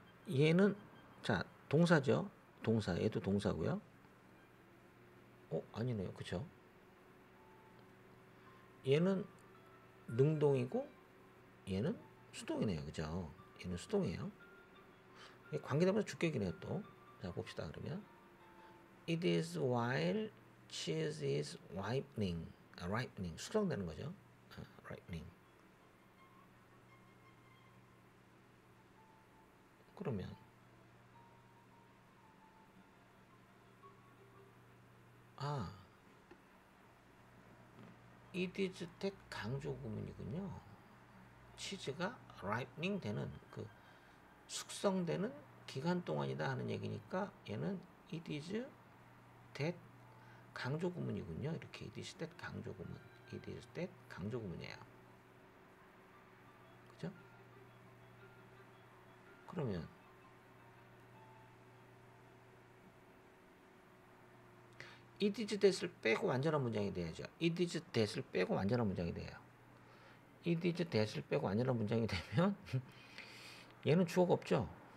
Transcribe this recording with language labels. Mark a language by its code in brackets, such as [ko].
[ko] 얘는 자, 동사죠. 동사. 얘도 동사고요. 아니네요. 그쵸? 얘는 능동이고 얘는 수동이네요. 그죠? 얘는 수동이에요. 관계대명사 주격이네요, 또. 자, 봅시다. [en] 그러면 It is while cheese is ripening. [ko] ripening. 숙성되는 거죠. ripening. 그러면 아 It is that 강조구문이군요. 치즈가 ripening 되는 그 숙성되는 기간 동안이다 하는 얘기니까 얘는 It is that 강조구문이군요. 이렇게 It is that 강조구문. It is that 강조구문이에요. 그죠? 그러면 It is that을 빼고 완전한 문장이 돼야죠. It is that을 빼고 완전한 문장이 돼요. It is that을 빼고 완전한 문장이 되면 얘는 주어가 없죠.